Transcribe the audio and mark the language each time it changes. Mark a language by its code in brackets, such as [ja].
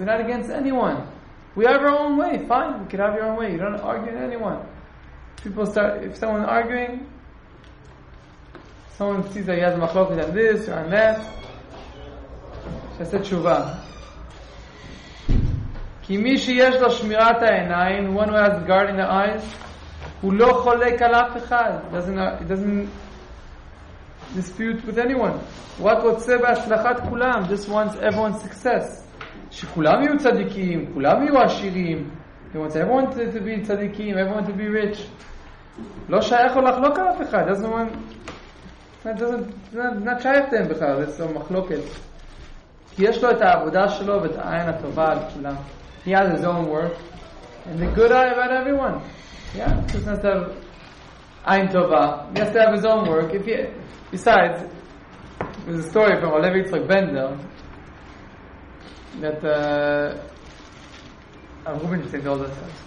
[en] We're not against anyone. We have our own way. Fine, we can have your own way. You don't argue with anyone. People start, if someone's arguing, someone sees that he has a machloket on this or on that, [he] shaseh tshuva. כי מי שיש לו שמירת העיניים, [en] one who has guard in the eyes, [he] הוא לא חולק על אף אחד. [en] He doesn't dispute with anyone. [he] הוא רק רוצה בהצלחת כולם. [en] Just wants everyone's success. [he] שכולם יהיו צדיקים, כולם יהיו עשירים. [en] He wants everyone to be צדיקים, everyone to be rich. [he] לא שייך לו לחלוק על אף אחד. Doesn't שייך להם בכלל. זה לא מחלוקת. כי יש לו את העבודה שלו ואת העין הטובה על כולם. [en] He has his own work. And the good eye about everyone. Yeah, he doesn't have to have Ayin Tova. He has to have his own work. Besides, there's a story from Olev Yitzchak Bender that Rubinstein told us.